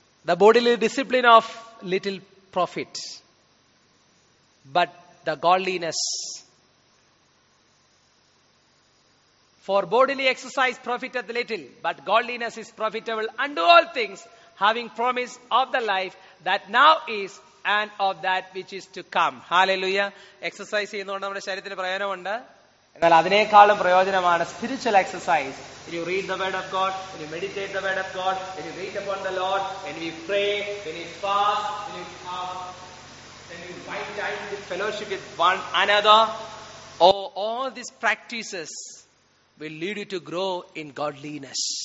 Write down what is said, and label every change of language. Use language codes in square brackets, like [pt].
[en] The bodily discipline of little profit, but the godliness for bodily exercise profiteth little, but godliness is profitable unto all things, having promise of the life that now is and of that which is to come. Hallelujah. [ml] Exercise cheyunnathu nammude sharirathinte prayanam undu, എന്നാൽ അതിനേക്കാളും പ്രയോജനമാണ് spiritual exercise. [en] When you read the word of God, when you meditate the word of God, when you wait upon the Lord, when we pray, when we fast, when you come, when you find time to fellowship with one another, all these practices will lead you to grow in godliness.